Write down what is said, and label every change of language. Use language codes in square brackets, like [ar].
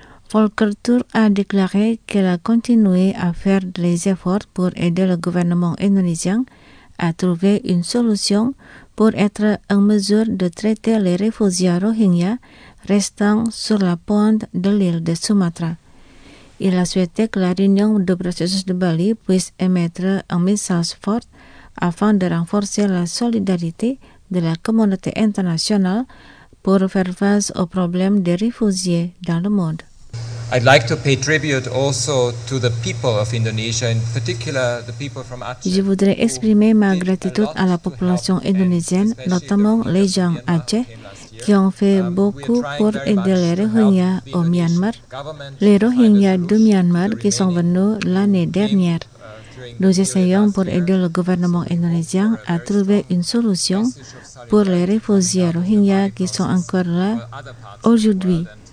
[fr] Volker Turk a déclaré qu'elle a continué à faire des efforts pour aider le gouvernement indonésien à trouver une solution pour être en mesure de traiter les réfugiés rohingyas restant sur la pointe de l'île de Sumatra. Il a souhaité que la réunion de processus de Bali puisse émettre un message fort afin de renforcer la solidarité de la communauté internationale pour faire face aux problèmes des réfugiés dans le monde. [en] I'd like to pay tribute also to the people of Indonesia, in particular the people from Aceh. [fr] Je voudrais exprimer ma gratitude à la population indonésienne, notamment les gens Aceh, qui ont fait beaucoup pour aider les Rohingyas au Myanmar, les Rohingyas du Myanmar qui sont venus l'année dernière. Nous essayons pour aider le gouvernement indonésien à trouver une solution pour les réfugiés Rohingyas qui sont encore là aujourd'hui.